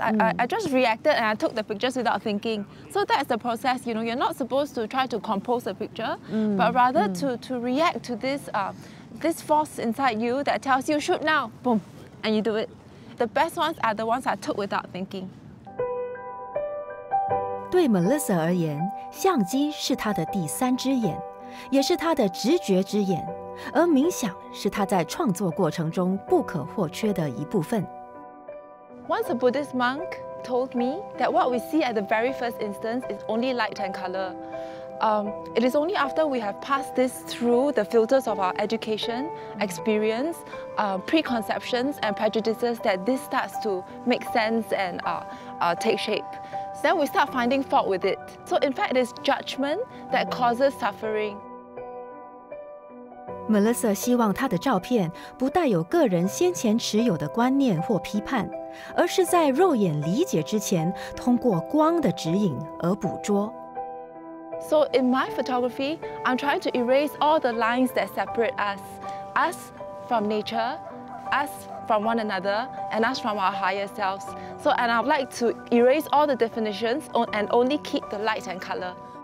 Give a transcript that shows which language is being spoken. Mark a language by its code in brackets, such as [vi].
[en] I just reacted and I took the pictures without thinking. So that's the process, you know, you're not supposed to try to compose a picture, but rather to react to this, this force inside you that tells you, shoot now, boom, and you do it. The best ones are the ones I took without thinking. [zh] 对 Melissa 而言，相机是她的第三只眼，也是她的直觉之眼，而冥想是她在创作过程中不可或缺的一部分。 [en] Once a Buddhist monk told me that what we see at the very first instance is only light and color. It is only after we have passed this through the filters of our education, experience, preconceptions and prejudices that this starts to make sense and take shape. Then we start finding fault with it. So in fact, it's judgment that causes suffering. [zh] Melissa 希望她的照片不带有个人先前持有的观念或批判，而是在肉眼理解之前，通过光的指引而捕捉。 [en] So in my photography, I'm trying to erase all the lines that separate us, us from nature, us. From one another and us from our higher selves. So, and I'd like to erase all the definitions and only keep the light and color.